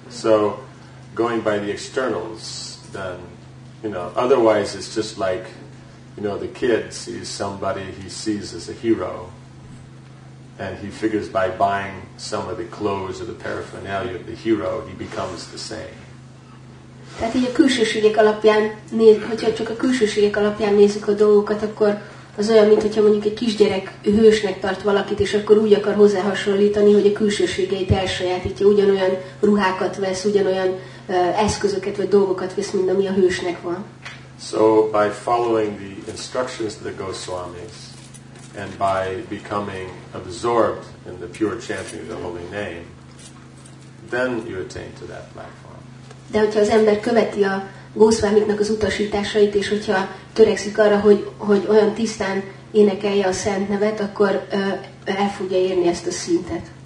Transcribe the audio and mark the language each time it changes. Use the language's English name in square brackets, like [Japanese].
[English] So, going by the externals, then, you know, otherwise it's just like, you know, the kid sees somebody he sees as a hero. And he figures by buying some of the clothes or the paraphernalia of the hero, he becomes the same. [Hungarian] Tehát így a külsőségek alapján, hogyha csak a külsőségek alapján nézzük a dolgokat, akkor az olyan, mint hogyha mondjuk egy kisgyerek hősnek tart valakit, és akkor úgy akar hozzá hasonlítani, hogy a külsőségeit elsajátítja, ugyanolyan ruhákat vesz, ugyanolyan eszközöket vagy dolgokat vesz, mint ami a hősnek van. [English] So by following the instructions of the Goswamis, and by becoming absorbed in the pure chanting of the holy name, then you attain to that platform. [Hungarian] De hogyha az ember követi a gószvámiknak az utasításait, és hogyha törekszik arra, hogy olyan tisztán énekelje a szent nevet, akkor el fogja érni ezt a szintet.